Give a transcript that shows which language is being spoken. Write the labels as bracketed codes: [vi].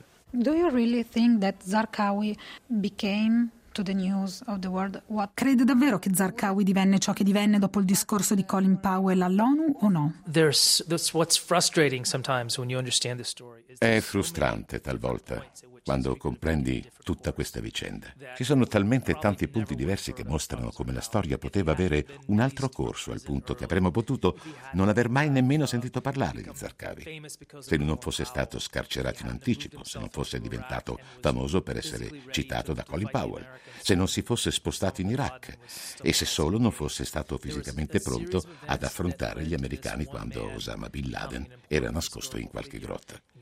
[en] Do you really think that Zarqawi became to the news of the world? [it] Crede davvero che Zarqawi divenne ciò che divenne dopo il discorso di Colin Powell all'ONU o no? [en] That's what's frustrating sometimes when you understand the story. [it] È frustrante talvolta quando comprendi tutta questa vicenda. Ci sono talmente tanti punti diversi che mostrano come la storia poteva avere un altro corso al punto che avremmo potuto non aver mai nemmeno sentito parlare di Zarqawi. Se non fosse stato scarcerato in anticipo, se non fosse diventato famoso per essere citato da Colin Powell, se non si fosse spostato in Iraq e se solo non fosse stato fisicamente pronto ad affrontare gli americani quando Osama Bin Laden era nascosto in qualche grotta.